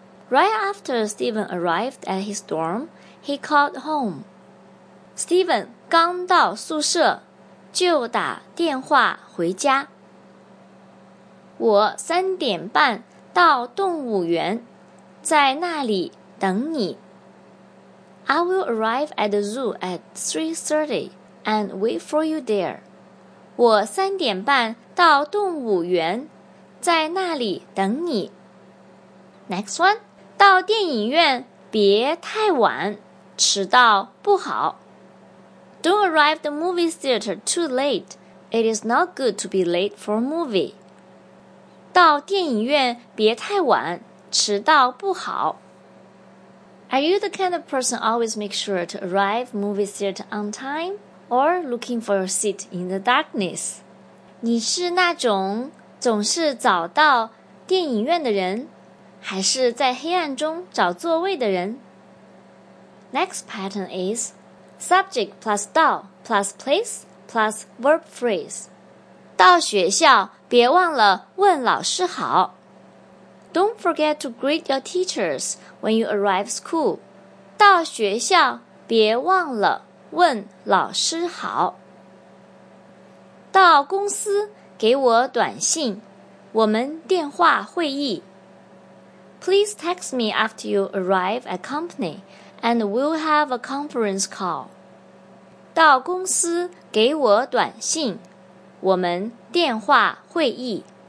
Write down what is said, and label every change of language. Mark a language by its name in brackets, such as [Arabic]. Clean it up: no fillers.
[English] Right after Steven arrived at his dorm, he called home. [Chinese] Steven 刚到宿舍就打电话回家。我三点半到动物园,在那里等你。 [English] I will arrive at the zoo at 3:30 and wait for you there. [Chinese] 我三点半到动物园，在那里等你。 [English] Next one. [Chinese] 到电影院别太晚，迟到不好。 [English] Don't arrive the movie theater too late. It is not good to be late for a movie. [Chinese] 到电影院别太晚，迟到不好。 [English] Are you the kind of person always make sure to arrive movie theater on time or looking for your seat in the darkness? [Chinese] 你是那种总是找到电影院的人还是在黑暗中找座位的人? [English] Next pattern is subject plus 到 plus place plus verb phrase. [Chinese] 到学校别忘了问老师好。 [English] Don't forget to greet your teachers when you arrive school. [Chinese] 到学校别忘了问老师好。到公司给我短信，我们电话会议。 [English] Please text me after you arrive at company and we'll have a conference call. [Chinese] 到公司给我短信，我们电话会议。